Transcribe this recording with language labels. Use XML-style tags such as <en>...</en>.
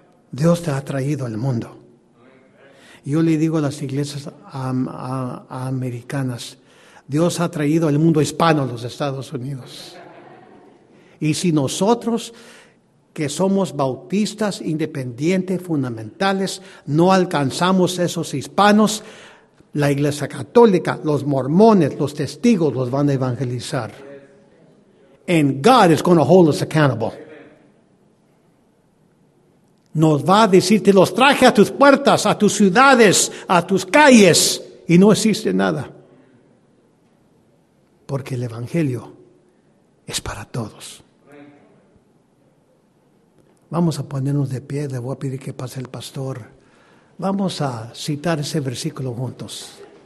<es>Dios te ha traído al mundo. Yo le digo a las iglesias americanas, Dios ha traído al mundo hispano a los Estados Unidos. Y si nosotros, que somos bautistas, independientes, fundamentales, no alcanzamos esos hispanos, la iglesia católica, los mormones, los testigos los van a evangelizar.</es> <en>And God is going to hold us accountable.</en> <es>Nos va a decir, te los traje a tus puertas, a tus ciudades, a tus calles, y no existe nada. Porque el evangelio es para todos. Vamos a ponernos de pie, le voy a pedir que pase el pastor. Vamos a citar ese versículo juntos.</es>